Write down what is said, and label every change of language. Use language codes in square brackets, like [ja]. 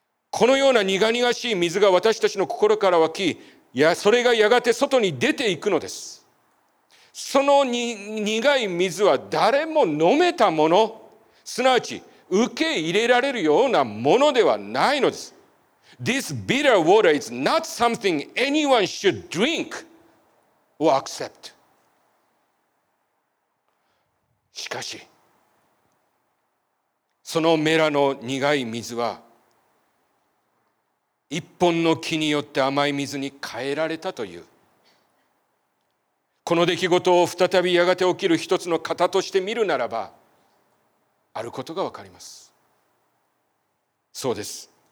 [ja] このような苦々しい水が私たちの心から湧き、いやそれがやがて外に出ていくのです。そのに苦い水は誰も飲めたもの、すなわち受け入れられるようなものではないのです。 [en] This bitter water is not something anyone should drink or accept。 [ja] しかしそのメラの苦い水は一本の木によって甘い水に変えられたという、この出来事を再びやがて起きる一つの型として見るならば、あることがわかります。そうです。